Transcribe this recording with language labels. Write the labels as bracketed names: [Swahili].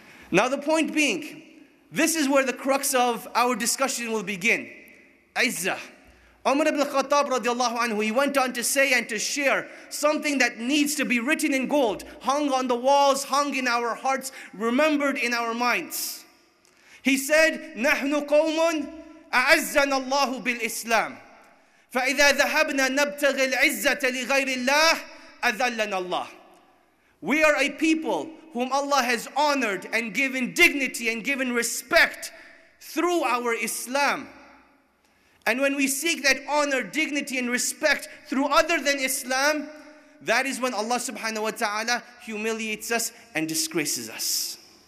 [English] Now the point being, this is where the crux of our discussion will begin. Izzah. Umar ibn Khattab radiallahu anhu, he went on to say and to share something that needs to be written in gold, hung on the walls, hung in our hearts, remembered in our minds. He said, [Arabic] "نحن قوم أعزنا الله بالإسلام فإذا ذهبنا نبتغي العزة لغير الله أذلنا الله." [English] We are a people whom Allah has honored and given dignity and given respect through our Islam. And when we seek that honor, dignity and respect through other than Islam, that is when Allah subhanahu wa ta'ala humiliates us and disgraces us.